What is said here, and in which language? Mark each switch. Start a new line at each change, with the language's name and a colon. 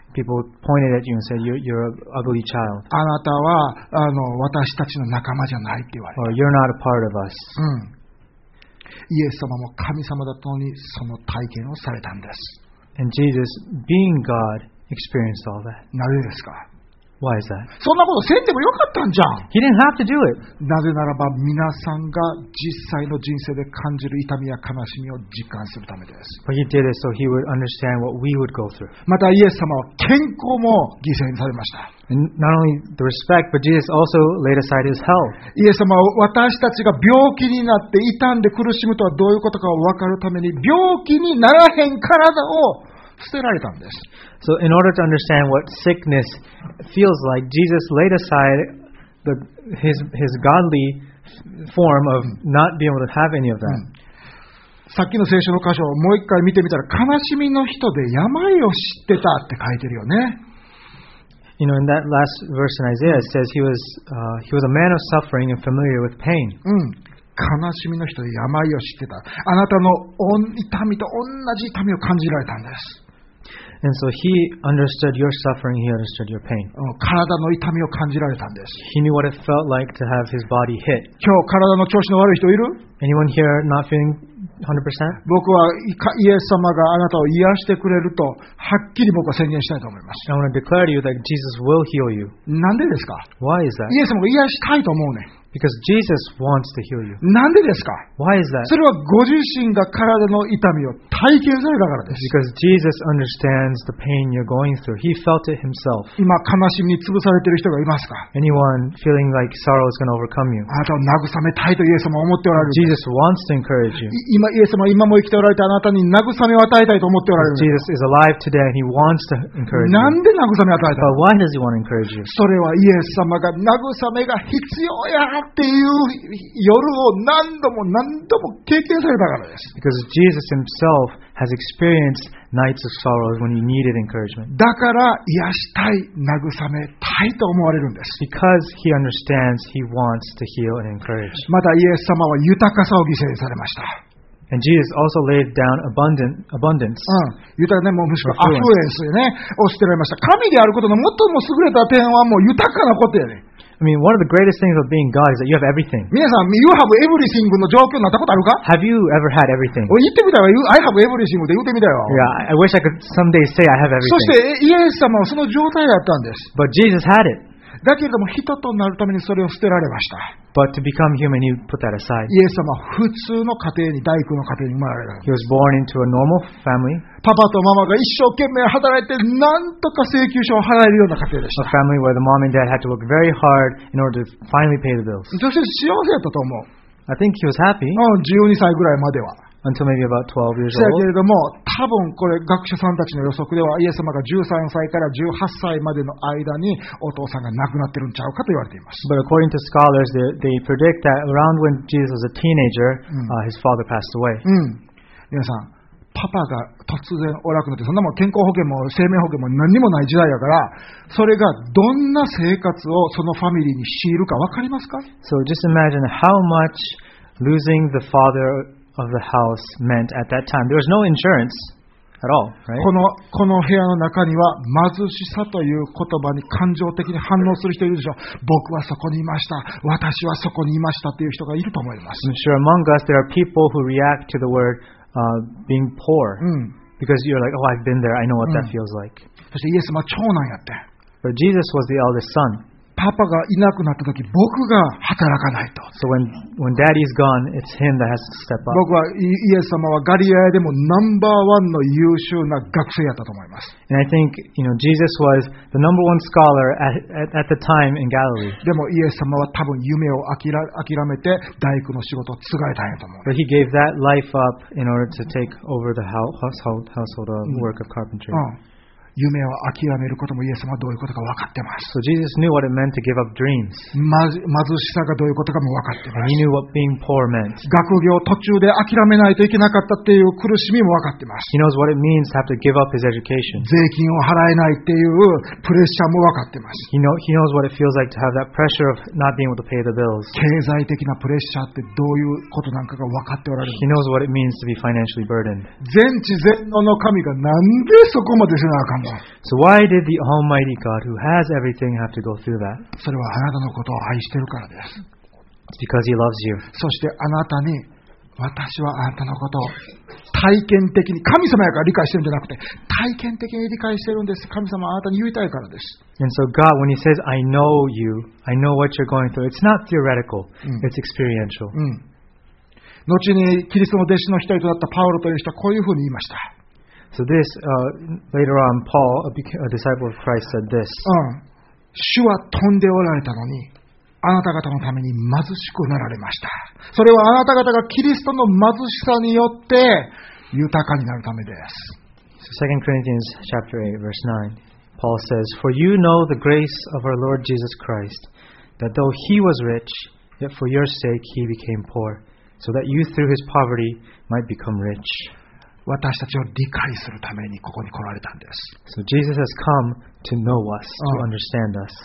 English: People pointed at you and said, "You're an ugly child."
Japanese: あなたはあの私たちの仲間じゃないって言われた。
English: Or you're not a part of us.
Japanese: イエス様も神様だったのにその体験をされたんです。
English: And Jesus, being God, experienced all that.
Japanese: なぜですか？
English: Why is that?
Japanese: そんなことせんでもよかったんじゃん。
English: He didn't have to do it.
Japanese: なぜならば皆さんが実際の人生で感じる痛みや悲しみを実感するためです。
English: But he did it so he would understand what we would go through.
Japanese: またイエス様は健康も犠牲にされました。
English: And not only the respect, but Jesus also laid aside his health.
Japanese: イエス様は私たちが病気になって痛んで苦しむとはどういうことかを分かるために病気にならへん体を捨てられたんです。
English: So in order to understand what sickness feels like, Jesus laid aside his godly form of not being able to have any of that.
Japanese: さっきの聖書の箇所をもう一回見てみたら、悲しみの人で病を知ってたって書いてるよね。
English: You know, in that last verse in Isaiah, it says he was a man of suffering and familiar with pain.
Japanese: 悲しみの人で病を知ってた。あなたの痛みと同じ痛みを感じられたんです。
English: And so he understood your suffering, he understood your pain.
Japanese: 体の痛みを感じられたんです。
English: He knew what it felt like to have his body hit.
Japanese: 今日体の調子の悪い人いる？
English: Anyone here not feeling 100%?
Japanese: 僕はイエス様があなたを癒してくれるとはっきり僕は宣言したいと思います。
English: I want to declare to you that Jesus will heal you.
Japanese: なんでですか？
English: Why is that?
Japanese: イエス様が癒したいと思うね。
English: Because Jesus wants to heal you.
Japanese: なんでですか？
English: Why is that?
Japanese: それはご自身が体の痛みを体験されたからです。
English: Because Jesus understands the pain you're going through. He felt it himself.
Japanese: 今悲しみに潰されている人がいますか？
English: Anyone feeling like sorrow is going to overcome you?
Japanese: あなたを慰めたいとイエス様は思っておられる。
English: Jesus wants to encourage you.
Japanese: 今イエス様は今も生きておられてあなたに慰めを与えたいと思っておられる。
English: Jesus is alive today and he wants to encourage you.
Japanese: なんで慰めを与えたの？
English: But why does he want to encourage you?
Japanese: それはイエス様が慰めが必要や。っていう夜を何度も何度も経験されたからです。
English: Because Jesus himself has experienced nights of sorrow when he needed encouragement.
Japanese: だから癒したい、慰めたいと思われるんです。
English: Because he understands he wants to heal and encourage.
Japanese: またイエス様は豊かさを犠牲にされました。
English: And Jesus also laid down abundance.
Japanese: 豊かね、もうむしろアフルエンスね、を捨てられました。神であることの最も優れた点はもう豊かなことやね。
English: I mean, one of the greatest things of being God is that you have everything.
Japanese: 皆さん、
English: you have everything
Japanese: の状況になったことあるか？
English: Have you ever had everything?
Japanese: 言ってみたら、
English: I have everything
Japanese: って言ってみたよ。
English: Yeah, I wish I could someday say I have everything.
Japanese: そして、イエス様はその状態だったんです。
English: But Jesus had it.
Japanese: だけれども、人となるためにそれを捨てられました。
English: But to become human, you put that aside.
Japanese: イエス様は普通の家庭に、大工の家庭に生まれた。
English: He was born into a normal family.
Japanese: パパとママが一生懸命働いて、なんとか請求書を払えるような家庭でした。
English: A family where the mom and dad had to work very hard in order to finally pay the bills.
Japanese: そして幸せだったと思う。
English: I think he was happy.
Japanese: 12歳ぐらいまでは。
English: until maybe about 12 years old.
Japanese: だけれども、多分これ学者さんたちの予測では、イエス様が13歳から18歳までの間にお父さんが亡くなってるんちゃうかと言われています。
English: But according to scholars, they predict that around when Jesus was a teenager,、his father passed away.、
Japanese: 皆さん、パパが突然おらくなって、そんなもん健康保険も生命保険も何にもない時代だから、それがどんな生活をそのファミリーに強いるか分かりますか？
English: So just imagine how much losing the father of the house meant at that time. There was no insurance at all, right?
Japanese: この部屋の中には貧しさという言葉に感情的に反応する人いるでしょ。僕はそこにいました。私はそこにいましたという人がいると思います。
English: I'm sure among us there are people who react to the wordBeing poor、because you're like, oh, I've been there, I know what that feels like.
Japanese: そしてイエス様は長男やって。
English: But Jesus was the eldest son.
Japanese: パパがいなくなった時、僕が働かないと。
English: So when daddy's gone, it's him that has to step up.
Japanese: 僕はイエス様はガリアでもナンバーワンの優秀な学生やったと思います。
English: And I think, you know, Jesus was the number one scholar at the time in Galilee.
Japanese: でもイエス様は多分夢を諦めて大工の仕事を継がれたんやと思う。
English: But he gave that life up in order to take over the household work of carpentry.、
Japanese: 夢を諦めることもイエス様はどういうことか分かってます。
English: So Jesus knew what it meant to give up dreams.
Japanese: 貧しさがどういうことかも分かってます。
English: And he knew what being poor meant.
Japanese: 学業途中で諦めないといけなかったっていう苦しみも分かってます。
English: He knows what it means to have to give up his education.
Japanese: 税金を払えないっていうプレッシャーも分かってます。
English: He knows what it feels like to have that pressure of not being able to pay the bills.
Japanese: 経済的なプレッシャーってどういうことなんかが分かっておられる。
English: He knows what it means to be financially burdened.
Japanese: 全知全能の神がなんでそこまでしなあかんの。
English: So why did the Almighty God who has everything have to go through that?
Japanese: それはあなたのことを愛してるからです。
English: It's because he loves you.
Japanese: そしてあなたに、私はあなたのことを体験的に、神様やから理解してるんじゃなくて、体験的に理解してるんです。神様はあなたに言いたいからです。
English: And so God, when he says, I know you, I know what you're going through, it's not theoretical, it's experiential.
Japanese: 後にキリストの弟子の一人となったパウロという人はこういうふうに言いました。
English: So this, later on, Paul, a disciple of Christ, said this.
Japanese: 主は飛んでおられたのに、あなた方のために貧しくなられました。それはあなた方がキリストの貧しさによって豊かになるためです。
English: So 2 Corinthians chapter 8, verse 9, Paul says, For you know the grace of our Lord Jesus Christ, that though he was rich, yet for your sake he became poor, so that you through his poverty might become rich.
Japanese: 私たちを理解するためにここに来られたんです。
English: So Jesus has come to know us, to understand us.